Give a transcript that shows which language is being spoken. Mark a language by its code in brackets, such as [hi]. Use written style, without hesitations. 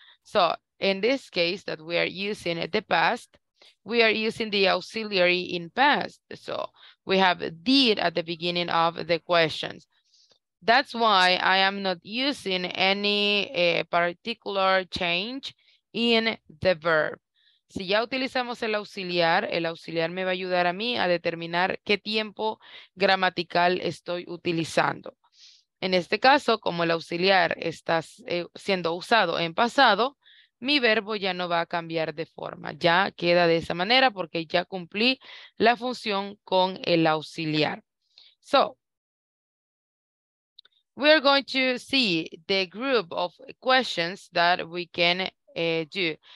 [en] So in this case that we are using the past, we are using the auxiliary in past. So we have did at the beginning of the questions. That's why I am not using any particular change in the verb. [es] Si ya utilizamos el auxiliar me va a ayudar a mí a determinar qué tiempo gramatical estoy utilizando. En este caso, como el auxiliar está siendo usado en pasado, mi verbo ya no va a cambiar de forma, ya queda de esa manera porque ya cumplí la función con el auxiliar. [en] So, we are going to see the group of questions that we can do.